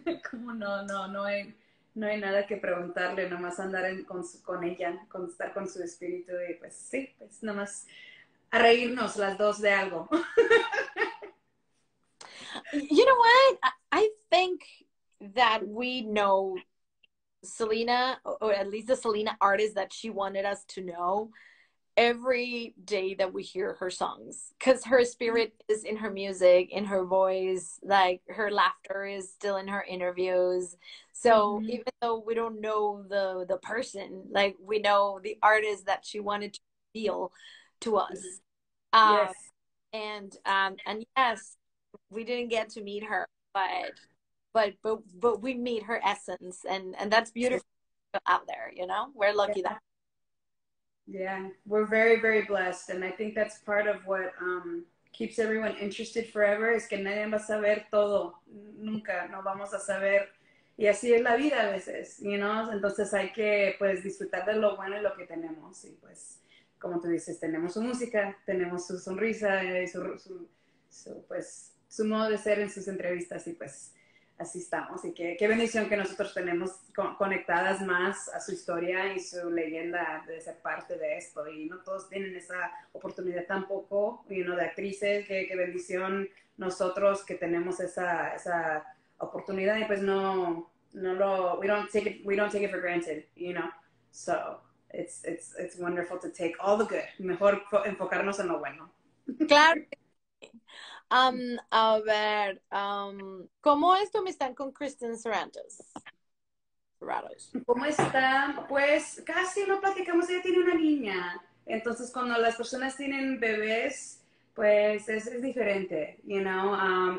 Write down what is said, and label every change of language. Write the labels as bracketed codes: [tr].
[es] ¿Cómo no? No hay nada que preguntarle, nomás andar con estar con su espíritu y pues sí, pues nomás a reírnos las dos de algo. [en] You know what? I think that we know Selena, or at least the Selena artist that she wanted us to know, every day that we hear her songs, because her spirit is in her music, in her voice, like her laughter is still in her interviews. So mm-hmm. even though we don't know the person, like we know the artist that she wanted to reveal to us. Yes. And yes, we didn't get to meet her, but we meet her essence, and that's beautiful out there, you know? We're lucky that. Yeah, we're very, very blessed. And I think that's part of what keeps everyone interested forever is [es] que nadie va a saber todo. Nunca, no vamos a saber. Y así es la vida a veces, [en] you know? [es] Entonces hay que, pues, disfrutar de lo bueno y lo que tenemos. Y pues, como tú dices, tenemos su música, tenemos su sonrisa y su modo de ser en sus entrevistas. Y pues, así estamos. Y qué bendición que nosotros tenemos conectadas más a su historia y su leyenda de ser parte de esto. Y no todos tienen esa oportunidad tampoco, [en] you know, [es] de actrices. Qué bendición nosotros que tenemos esa oportunidad. Y pues [en] we don't take it for granted, you know. So it's wonderful to take all the good. [es] Mejor enfocarnos en lo bueno. Claro. A ver, ¿cómo es tu amistad con Kristen Sarandos? ¿Cómo está? Pues casi no platicamos, ella tiene una niña, entonces cuando las personas tienen bebés, pues es diferente, [en] you know.